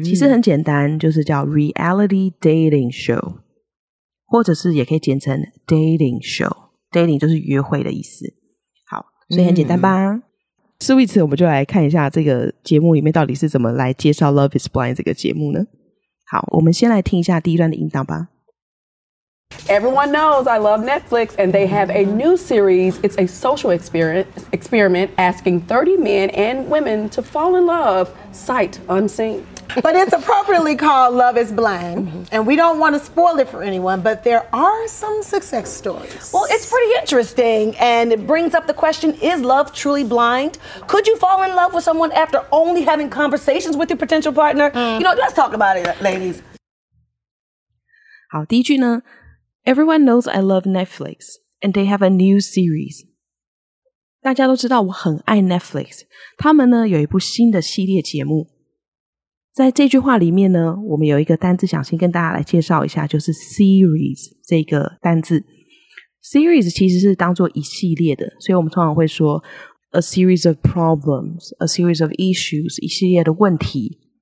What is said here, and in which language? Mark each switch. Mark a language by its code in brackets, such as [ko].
[zh] 其实很简单，就是叫 reality dating show， 或者是也可以简称 dating show， dating 就是约会的意思。好，所以很简单吧。所以我们就来看一下这个节目里面到底是怎么来介绍 Love is Blind 这个节目呢。好，我们先来听一下第一段的音档吧。 [en] Everyone knows I love Netflix and they have a new series. It's a social experiment asking 30 men and women to fall in love sight unseen. But it's appropriately called Love is Blind. And we don't want to spoil it for anyone, but there are some success stories. Well, it's pretty interesting. And it brings up the question, is love truly blind? Could you fall in love with someone after only having conversations with your potential partner? You know, let's talk about it, ladies. [zh] 好，第一句呢？ [en] Everyone knows I love Netflix, and they have a new series. [zh] 大家都知道我很爱 Netflix, 他们呢有一部新的系列节目。在这句话里面呢，我们有一个单字想先跟大家来介绍一下，就是 series 这个单字。 Series 其实是当作一系列的，所以我们通常会说 [en] a series of problems, a series of issues, [zh] 一系列的问题。